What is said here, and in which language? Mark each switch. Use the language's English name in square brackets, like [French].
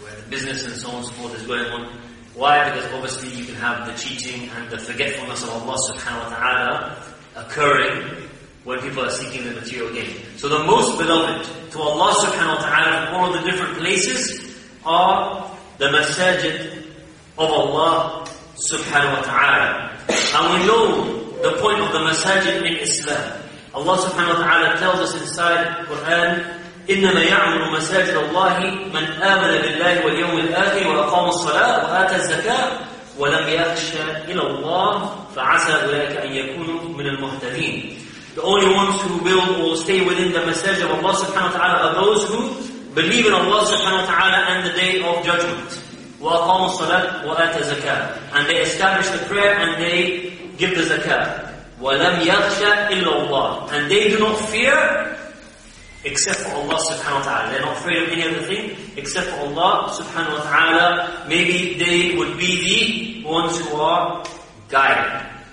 [English] Business and so on and so forth is going on. Why? Because obviously you can have the cheating and the forgetfulness of Allah subhanahu wa ta'ala occurring when people are seeking the material gain. So the most beloved to Allah subhanahu wa ta'ala from all of the different places are the masajid of Allah subhanahu wa ta'ala. And we know the point of the masajid in Islam. Allah subhanahu wa ta'ala tells us inside Quran, [Arabic] إنما يعمر مساجد الله من آمن بالله واليوم الآخر وأقام الصلاة وآتى الزكاة ولم يخش إلى الله فعسى أولئك أن يكونوا من المهتدين. [English] The only ones who build or stay within the masajid of Allah subhanahu wa ta'ala are those who believe in Allah subhanahu wa ta'ala and the day of judgment. [Arabic] وأقام الصلاة وآتى الزكاة. [English] And they establish the prayer and they give the zakah. [Arabic] ولم يخش إلا الله. [English] And they do not fear except for Allah subhanahu wa ta'ala. They're not afraid of any other thing except for Allah subhanahu wa ta'ala. Maybe they would be the ones who are guided.